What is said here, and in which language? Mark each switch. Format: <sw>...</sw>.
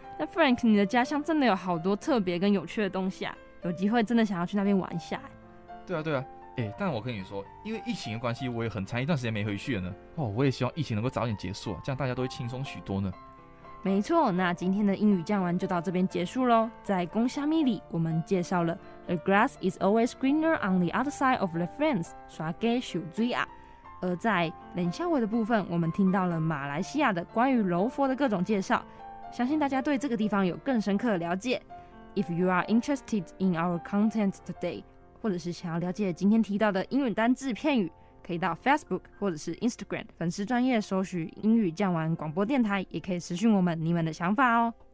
<zh>那 Frank， 你的家乡真的有好多特别跟有趣的东西啊，有机会真的想要去那边玩一下。对啊对啊，欸，但我跟你说，因为疫情的关系，我也很长一段时间没回去了呢。哦，我也希望疫情能够早点结束，这样大家都会轻松许多呢。没错，那今天的英语讲完就到这边结束咯。在公虾米里我们介绍了</zh> <en>The grass is always greener on the other side of the fence，</en> <zh>刷给手追啊。而在冷笑话的部分，我们听到了马来西亚的关于柔佛的各种介绍，相信大家对这个地方有更深刻的了解。</zh> <en>If you are interested in our content today，</en> <zh>或者是想要了解今天提到的英语单字片语，可以到 Facebook 或者是 Instagram 粉丝专页搜寻英语讲完广播电台，也可以私讯我们你们的想法哦。</zh>